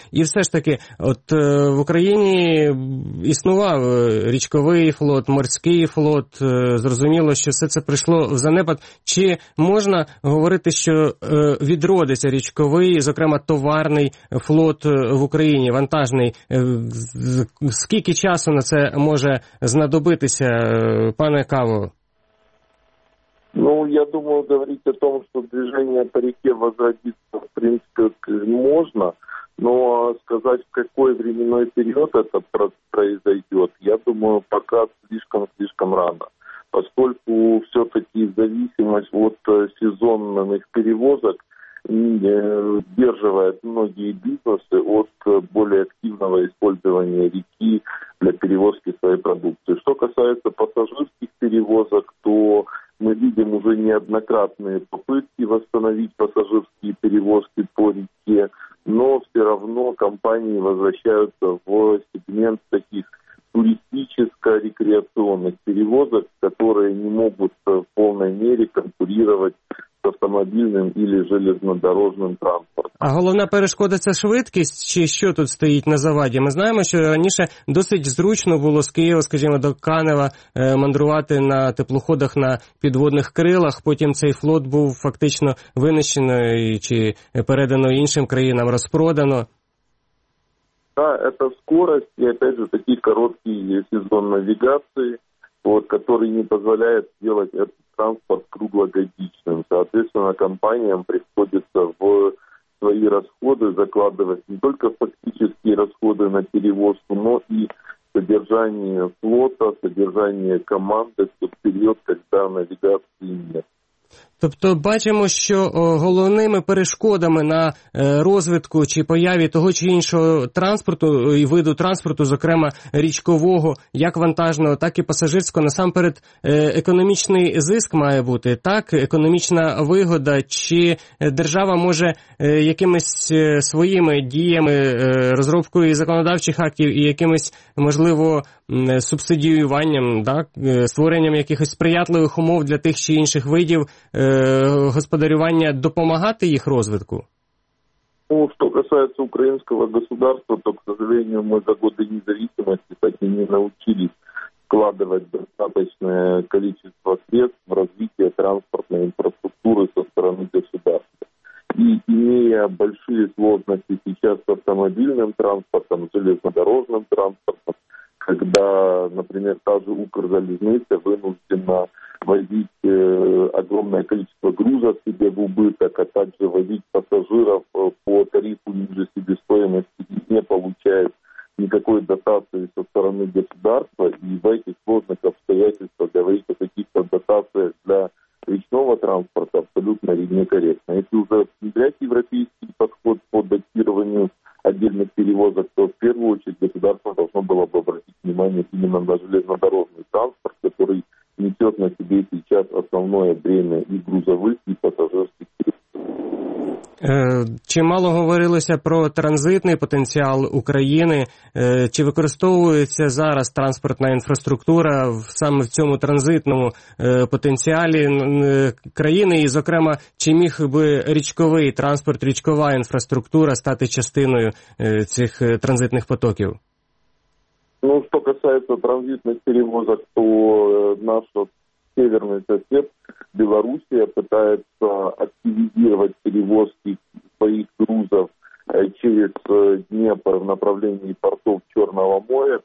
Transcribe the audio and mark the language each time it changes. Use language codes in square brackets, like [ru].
[uk] І все ж таки, от в Україні існував річковий флот, морський флот, зрозуміло, що все це прийшло в занепад. Чи можна говорити, що відродиться річковий, зокрема, товарний флот в Україні, вантажний? Скільки часу на це може знадобитися, пане Каво? [ru] Ну, я думаю, говорить о том, что движение по реке возродится, в принципе, можно, но сказать, в какой временной период это произойдет, я думаю, пока слишком-слишком рано. Поскольку все-таки зависимость от сезонных перевозок, и сдерживает многие бизнесы от более активного использования реки для перевозки своей продукции. Что касается пассажирских перевозок, то мы видим уже неоднократные попытки восстановить пассажирские перевозки по реке, но все равно компании возвращаются в сегмент таких туристическо-рекреационных перевозок, которые не могут в полной мере конкурировать с автомобильным или железнодорожным транспортом. [uk] А головна перешкода – це швидкість? Чи що тут стоїть на заваді? Ми знаємо, що раніше досить зручно було з Києва, скажімо, до Канева мандрувати на теплоходах на підводних крилах. Потім цей флот був фактично винищений чи передано іншим країнам, розпродано. [ru] Да, это скорость и, опять же, такие короткие сезон навигации, вот, который не позволяет сделать этот транспорт круглогодичным. Соответственно, компаниям приходится в свои расходы закладывать не только фактические расходы на перевозку, но и содержание флота, содержание команды в тот период, когда навигации нет. [uk] Тобто бачимо, що головними перешкодами на розвитку чи появі того чи іншого транспорту і виду транспорту, зокрема річкового, як вантажного, так і пасажирського, насамперед економічний зиск має бути, так, економічна вигода, чи держава може якимись своїми діями, розробкою законодавчих актів і якимись, можливо, субсидіюванням, так, створенням якихось сприятливих умов для тих чи інших видів господарювання допомагати їх розвитку? Ну, що стосується українського [ru] государства, то, к сожалению, ми за годы независимости так и не научились вкладывать достаточное количество средств в развитие транспортной инфраструктуры со стороны государства. И имея большие сложности сейчас с автомобильным транспортом, железнодорожным транспортом, когда, например, та же Укрзалізниця вынуждена возить огромное количество груза себе в убыток, а также возить пассажиров по тарифу ниже себестоимости, не получает никакой дотации со стороны государства, и в этих сложных обстоятельствах говорить о каких-то дотациях для речного транспорта абсолютно некорректно. Если уже внедрять европейский подход по датированию отдельных перевозок, то в первую очередь государство должно было бы обратить внимание именно на железнодорожный транспорт, который несет на себе сейчас основное бремя и грузовых, и пассажирских перевозок. [uk] Чимало говорилося про транзитний потенціал України. Чи використовується зараз транспортна інфраструктура саме в цьому транзитному потенціалі країни? І, зокрема, чи міг би річковий транспорт, річкова інфраструктура стати частиною цих транзитних потоків? Ну, що стосується транзитних перевозок, то наш северний сусід [ru] Белоруссия пытается активизировать перевозки своих грузов через Днепр в направлении портов Черного моря.